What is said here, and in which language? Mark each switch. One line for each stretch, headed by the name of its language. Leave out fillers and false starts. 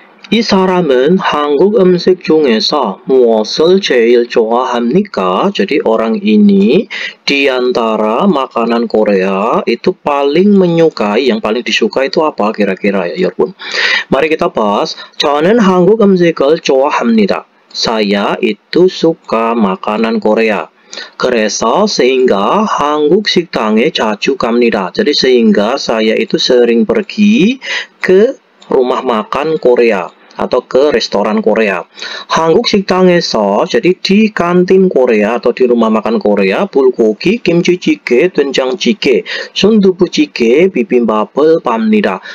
Korean: 이 사람은 한국 음식 중에서 무엇을 제일 좋아합니까?
Indonesian: Jadi orang ini diantara makanan Korea itu paling menyukai, yang paling disukai itu apa kira-kira ya, Yorbun? Mari kita bahas.
Korean: 저는 한국 음식을 좋아합니다.
Indonesian: Saya itu suka makanan Korea.
Korean: 그래서
Indonesian: sehingga
Korean: 한국 식당에 자주 갑니다.
Indonesian: Jadi sehingga saya itu sering pergi ke rumah makan Korea atau ke restoran Korea.
Korean: 한국 식당에서,
Indonesian: jadi di kantin Korea atau di rumah makan Korea, bulgogi, kimchi jjigae, doenjang jjigae, sundubu jjigae,
Korean: bibimbapul pamnida.